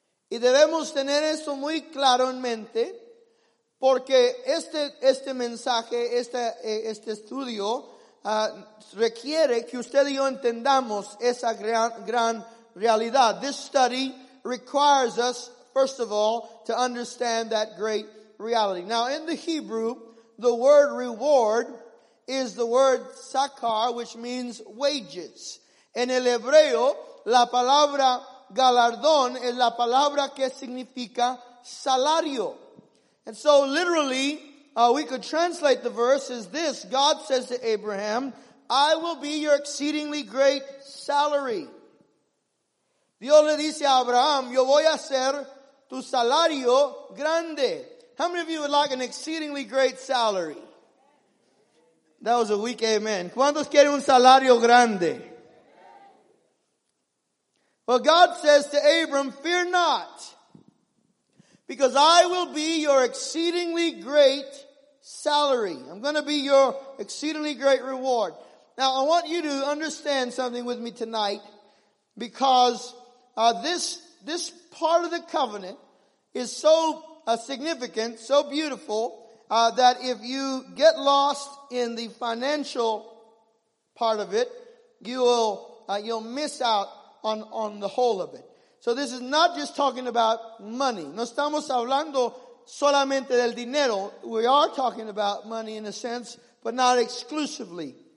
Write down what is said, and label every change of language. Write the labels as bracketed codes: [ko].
[es] Y debemos tener esto muy claro en mente. Porque este mensaje, este estudio, requiere que usted y yo entendamos esa gran realidad. [en] This study requires us, first of all, to understand that great reality. Now, in the Hebrew, the word reward is the word sakar, which means wages. [es] En el Hebreo, la palabra galardón es la palabra que significa salario. [en] And so, literally, we could translate the verse as this. God says to Abraham, I will be your exceedingly great salary. [es] Dios le dice a Abraham, yo voy a ser tu salario grande. [en] How many of you would like an exceedingly great salary? That was a weak amen. [es] ¿Cuántos quieren un salario grande? [en] Well, God says to Abram, fear not, because I will be your exceedingly great salary. I'm going to be your exceedingly great reward. Now, I want you to understand something with me tonight, because this part of the covenant is so significant, so beautiful, that if you get lost in the financial part of it, you'll miss out on the whole of it. So this is not just talking about money. [es] No estamos hablando solamente del dinero. [en] We are talking about money in a sense, but not exclusively.